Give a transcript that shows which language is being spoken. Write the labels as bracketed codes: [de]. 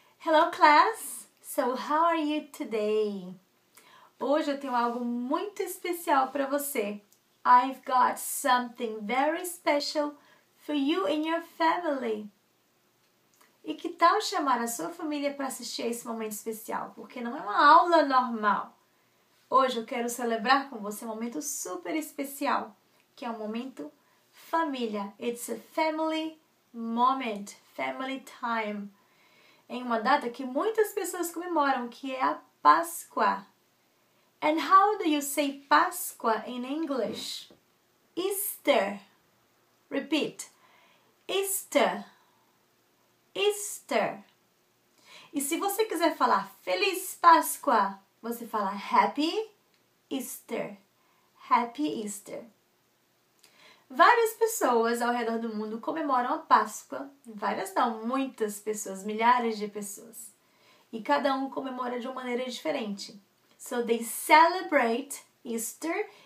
[en] Hello class, so how are you today? [pt] Hoje eu tenho algo muito especial para você. [en] I've got something very special for you and your family. [pt] E que tal chamar a sua família para assistir a esse momento especial? Porque não é uma aula normal. Hoje eu quero celebrar com você um momento super especial, que é um momento família. [en] It's a family moment, family time. [pt] Em uma data que muitas pessoas comemoram, que é a Páscoa. [en] And how do you say Páscoa in English? Easter. Repeat. Easter. Easter. [pt] E se você quiser falar Feliz Páscoa, você fala [en] Happy Easter. Happy Easter. [pt] Várias pessoas ao redor do mundo comemoram a Páscoa. Várias não, muitas pessoas, milhares de pessoas. E cada um comemora de uma maneira diferente. [en] So they celebrate Easter.